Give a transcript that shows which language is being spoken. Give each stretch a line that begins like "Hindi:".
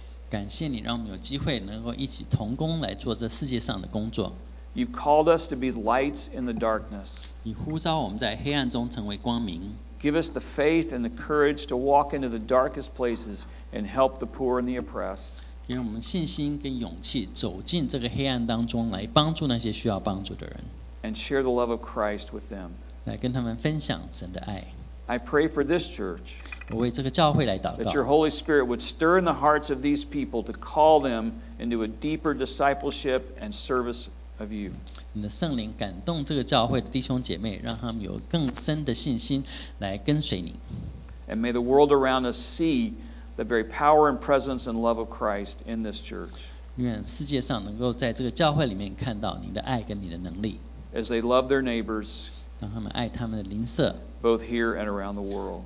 Chinese: 感谢你让我们有机会能够一起同工来做这世界上的工作。
English: You've called us to be lights in the darkness.
Chinese: 你呼召我们在黑暗中成为光明。
English: Give us the faith and the courage to walk into the darkest places and help the poor and the oppressed.
Chinese: 给我们信心跟勇气走进这个黑暗当中来帮助那些需要帮助的人。
English: And share the love of Christ with them.
Chinese: 来跟他们分享神的爱。
English: I pray for this church.
Chinese: 我为这个教会来祷告。
English: That your Holy Spirit would stir in the hearts of these people to call them into a deeper discipleship and service of you.
Chinese: 你的圣灵感动这个教会的弟兄姐妹，让他们有更深的信心来跟随你。
English: And may the world around us see the very power and presence and love of Christ in this church.
Chinese: 愿世界上能够在这个教会里面看到你的爱跟你的能力。
English: As they love their neighbors,
Chinese: 让他们爱他们的邻舍。
English: Both here and around the world.